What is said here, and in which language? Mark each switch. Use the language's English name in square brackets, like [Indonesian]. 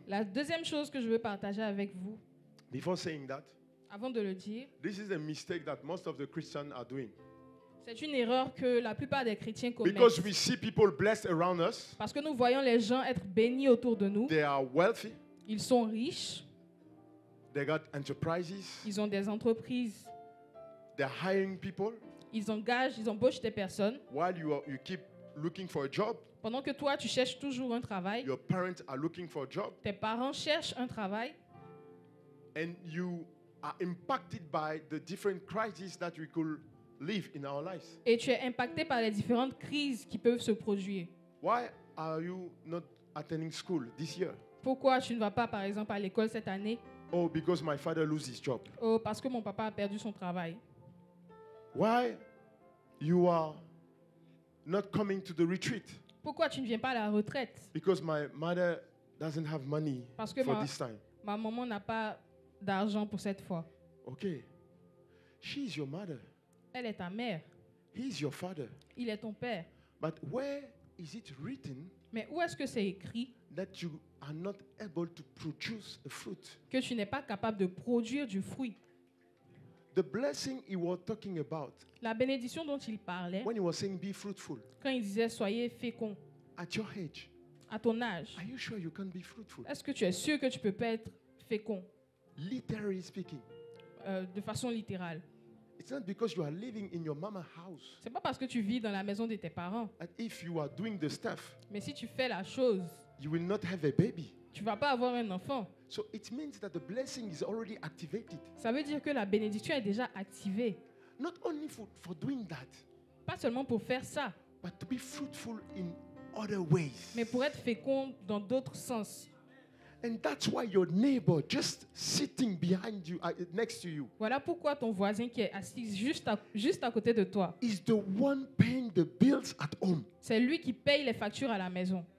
[French] La deuxième chose que je veux partager avec vous. [English] Before saying that. [French] Avant de le dire. [English] This is a mistake that most of the Christians are doing. [French] C'est une erreur que la plupart des chrétiens commettent. [English] Because we see people blessed around us. [French] Parce que nous voyons les gens être bénis autour de nous. [English] They are wealthy. [French] Ils sont riches. [English] They got enterprises. [French] Ils ont des entreprises. [English] They're hiring people. [French] Ils engagent, ils embauchent des personnes. [English] While you keep looking for a job. [French] Pendant que toi, tu cherches toujours un travail. [English] Your parents are looking for a job. [French] Tes parents cherchent un travail. [English] And you are impacted by the different crises that we could live in our lives. [French] Et tu es impacté par les différentes crises qui peuvent se produire. [English] Why are you not attending school this year? [French] Pourquoi tu ne vas pas, par exemple, à l'école cette année? [English] Oh, because my father loses his job. [French] Oh, parce que mon papa a perdu son travail. [English] Why you are not coming to the retreat? [French] Pourquoi tu ne viens pas à la retraite? [English] Because my mother doesn't have money [French] parce que [English] for this time. [French] Ma maman n'a pas d'argent pour cette fois. [English] Okay. She is your mother. [French] Elle est ta mère. [English] He is your father. [French] Il est ton père. [English] But where is it written? [French] Mais où est-ce que c'est écrit? [English] That you are not able to produce a fruit. [French] Que tu n'es pas capable de produire du fruit. [English] The blessing he was talking about. [French] La bénédiction dont il parlait. [English] When he was saying be fruitful. [French] Quand il disait soyez fécond. [English] At your age. [French] À ton âge. [English] Are you sure you can't be fruitful? [French] Est-ce que tu es sûr que tu peux pas être fécond? [English] Literally speaking. [French] De façon littérale. [English] It's not because you are living in your mama's house. [French] C'est pas parce que tu vis dans la maison de tes parents. [English] And if you are doing the stuff. [French] Mais si tu fais la chose. [English] You will not have a baby. [French] Tu vas pas avoir un enfant. [English] So it means that the blessing is already activated. [French] Ça veut dire que la bénédiction est déjà activée. [English] Not only for doing that. [French] Pas seulement pour faire ça. [English] But to be fruitful in other ways. [French] Mais pour être fécond dans d'autres sens. [English] And that's why your neighbor just sitting behind you, next to you. [French] Voilà pourquoi ton voisin qui est assis juste à côté de toi. [English] Is the one paying the bills at home. [French] C'est lui qui paye les factures à la maison.